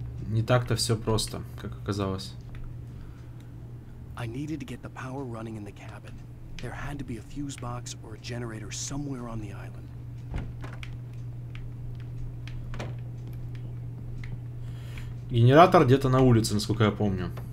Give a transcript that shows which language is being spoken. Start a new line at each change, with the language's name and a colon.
Russian: Не так-то все просто, как оказалось.
English: I needed to get the power running in the cabin. There had to be a fuse box or a generator somewhere on the island.
Russian: Генератор где-то на улице, насколько я помню.